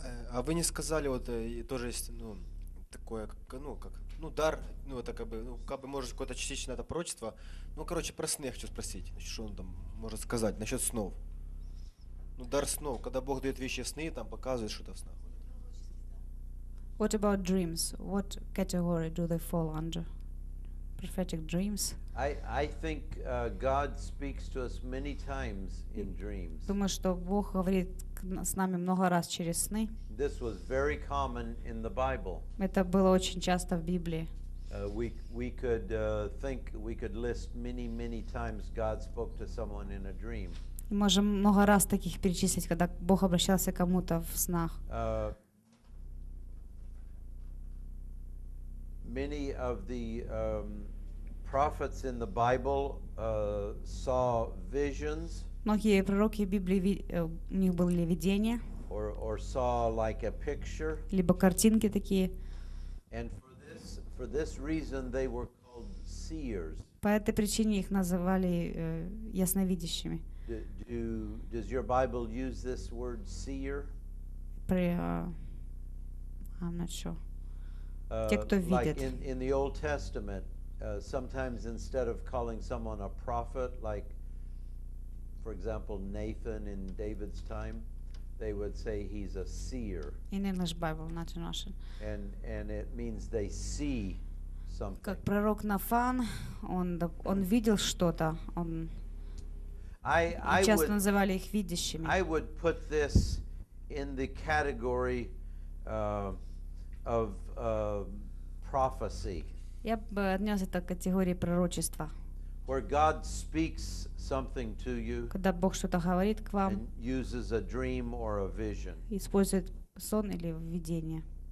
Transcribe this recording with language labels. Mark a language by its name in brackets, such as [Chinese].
[Russian] А вы не сказали, вот тоже есть, ну, такое, ну, как, ну, дар, ну, это как бы, ну, как бы, может, какое-то частичное это пророчество. Ну, короче, про сны я хочу спросить, значит, что он там может сказать насчет снов. Ну, дар снов, когда Бог дает вещи в сны, там показывает что-то в снах. [English] What about dreams? What category do they fall under? prophetic dreams. I think God speaks to us many times in dreams. [Russian] Думаю, что Бог говорит с нами много раз через сны. [English] This was very common in the Bible. [Russian] Это было очень часто в Библии. [English] We could list many times God spoke to someone in a dream. [Russian] Мы можем много раз таких перечислить, когда Бог обращался к кому-то в снах. [English] Many of the prophets in the Bible saw visions. [Russian] Многие пророки в Библии, у них были видения. [English] Or saw like a picture. [Russian] Либо картинки такие. [English] And for this reason they were called seers. [Russian] По этой причине их называли ясновидящими. [English] Does your Bible use this word seer? I'm not sure. [Russian] Те, кто видит. [English] Like in the Old Testament, sometimes instead of calling someone a prophet, like for example Nathan in David's time, they would say he's a seer. In English Bible, not in Russian. And it means they see something. [Russian] Как пророк Нафан, он видел что-то. Он часто называли их видящими. [English] I would put this in the category of prophecy. [Russian] Я бы отнес это к категории пророчества. [English] Where God speaks something to you. [Russian] Когда Бог что-то говорит к вам. [English] And uses a dream or a vision. [Russian] Использует сон или видение.